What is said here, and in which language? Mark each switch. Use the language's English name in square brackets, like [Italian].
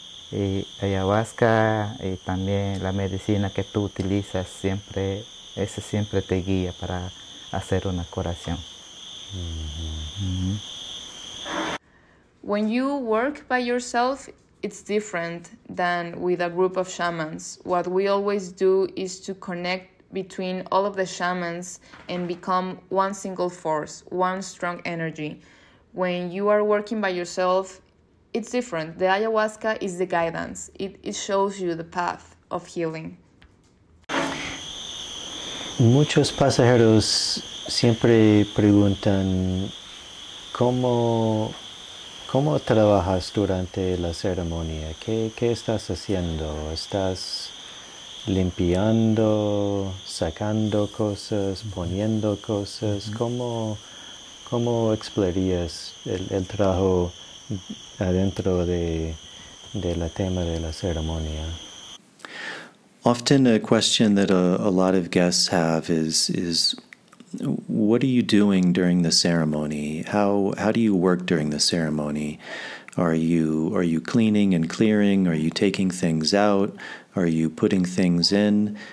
[Spanish] Y ayahuasca y también la medicina que tú utilizas siempre, eso siempre te guía para hacer una curación. [English] When you work by yourself, it's different than with a group of shamans. What we always do is to connect between all of the shamans and become one single force, one strong energy. When you are working by yourself, it's different. The ayahuasca is the guidance. It shows you the path of healing. [Spanish] Muchos pasajeros siempre preguntan cómo trabajas durante la ceremonia. ¿Qué estás haciendo? ¿Estás limpiando, sacando cosas, poniendo cosas? ¿Cómo explorarías el trabajo adentro de la tema de la ceremonia? [English] Often a question that a lot of guests have is what are you doing during the ceremony? How do you work during the ceremony? Are you cleaning and clearing? Are you taking things out? Are you putting things in?